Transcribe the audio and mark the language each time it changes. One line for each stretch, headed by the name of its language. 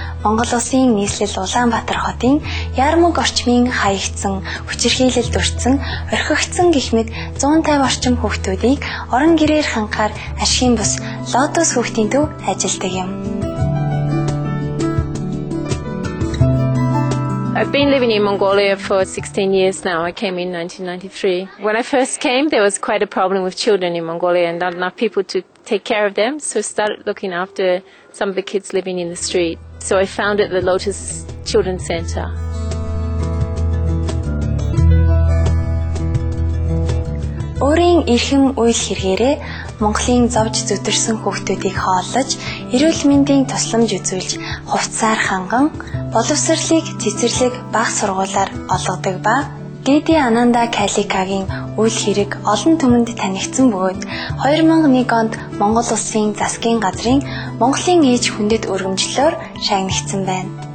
Mongolian: Монгол улсын нийслэл Улаанбаатар хотын Ярмөг орчмын хаягдсан, хүчирхийлэл дүрцэн, орхигдсан гихмэд 150 орчим хүүхдүүдийг орон гэрээр хангахаар ашигын бус Лотус хүүхдийн төв ажилладаг юм.
English: I've been living in Mongolia for 16 years now. I came in 1993. When I first came, there was quite a problem with children in Mongolia and not enough people to take care of them. So I started looking after some of the kids living in the street. So I founded the Lotus Children's Center.
Mongolian: Өөрийн эрхэм үйл хэрэгээрээ Монголын зовж зүтэрсэн хүүхдүүдийг хооллож, эрүүл мэндийн тусламж үзүүлж, хувцаар ханган, боловсролыг цэцэрлэг бага сургуулиар олгодог ба, Гэди Ананда Каликагийн үйл хэрэг олон түмэнд танигдсан бөгөөд 2001 онд Монгол Улсын Засгийн газрын Монголын ээж хүндэт өргөмжлөөр шагнагдсан байна.